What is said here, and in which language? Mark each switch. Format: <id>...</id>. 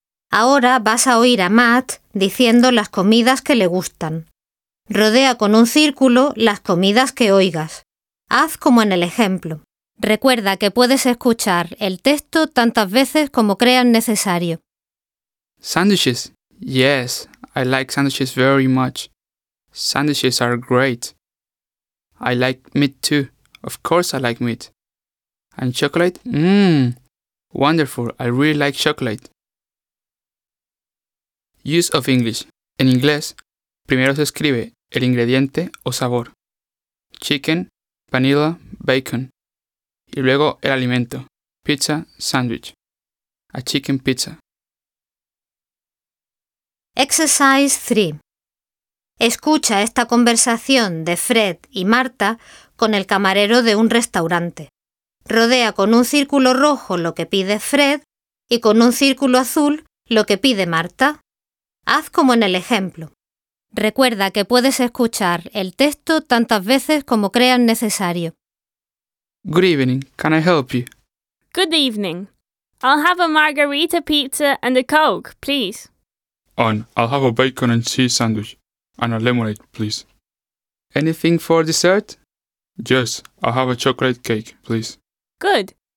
<es>Ahora vas a oír a Matt diciendo las comidas que le gustan. Rodea con un círculo las comidas que oigas. Haz como en el ejemplo. Recuerda que puedes escuchar el texto tantas veces como creas necesario.</es> <en>Sandwiches. Yes, I like sandwiches very much. Sandwiches are great. I like meat too. Of course I like meat. And chocolate? Wonderful, I really like chocolate. Use of English.</en> <es>En inglés, primero se escribe el ingrediente o sabor.</es> <en>Chicken, vanilla, bacon.</en> <es>Y luego el alimento.</es> <en>Pizza, sandwich. A chicken pizza. Exercise 3.</en> <es>Escucha esta conversación de Fred y Marta con el camarero de un restaurante. Rodea con un círculo rojo lo que pide Fred y con un círculo azul lo que pide Marta. Haz como en el ejemplo. Recuerda que puedes escuchar el texto tantas veces como creas necesario.</es> <en>Good evening. Can I help you? Good evening. I'll have a margarita pizza and a Coke, please. And I'll have a bacon and cheese sandwich and a lemonade, please. Anything for dessert? Yes, I'll have a chocolate cake, please. Good.</en>